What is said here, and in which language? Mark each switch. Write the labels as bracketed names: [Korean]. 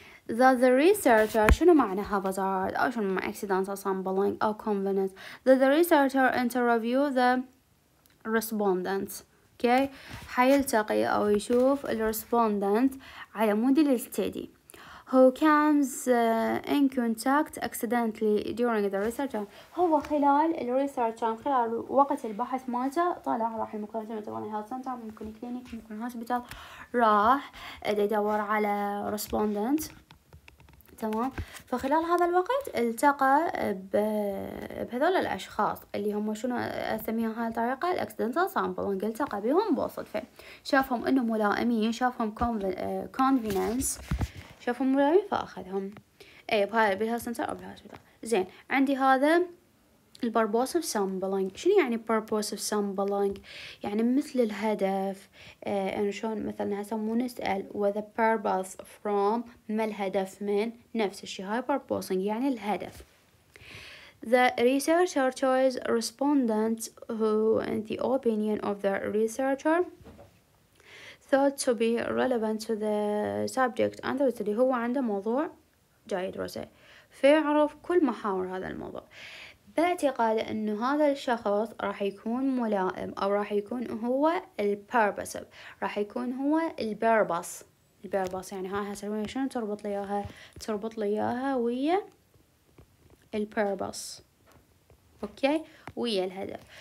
[English] The researcher [Arabic] شنو معنى هافازارد أو شنو معنى أكسيدنتال سامبلينج أو كونفنس؟ [English] The researcher interview the respondents، [Arabic] okay، حيلتقي أو يشوف الرسبوندنت على مود الستدي. [English] Who comes in contact accidentally during the research time. [Arabic] هو خلال الريسيرش تايم، خلال وقت البحث مالته، طلع راح المكان تبعنا هيلث سنتر، ممكن كلينيك، ممكن هوسبيتال، راح يدور على ريسبوندنت، تمام، فخلال هذا الوقت التقى بهذول الاشخاص اللي هم شنو اسميها هاي الطريقه الاكسيدنتال سامبلنج، التقى بهم بالصدفه، شافهم انه ملائمين، شافهم كونفينينس، شافهم ملائمين فأخذهم، إيه بهاي بالهاسنتر أو بالهاسبيتال. زين عندي هذا البربوسف سامبلينج. شنو يعني بربوسف سامبلينج؟ يعني مثل الهدف، إنه شلون مثلا هسا مو نسأل وذا بيربوس فروم، ما الهدف من، نفس الشيء هاي بربوسنج يعني الهدف. [English] The researcher chose respondents who in the opinion of the researcher thought to be relevant to the subject under study. [Arabic] هو عنده موضوع جاي يدرسه، فيعرف كل محاور هذا الموضوع، باعتقاد انه هذا الشخص راح يكون ملائم، او راح يكون هو البربسيف، راح يكون هو البربس. البربس يعني هاي هسه شنو تربط لي اياها؟ تربط لي اياها ويا البربس، اوكي، ويا الهدف.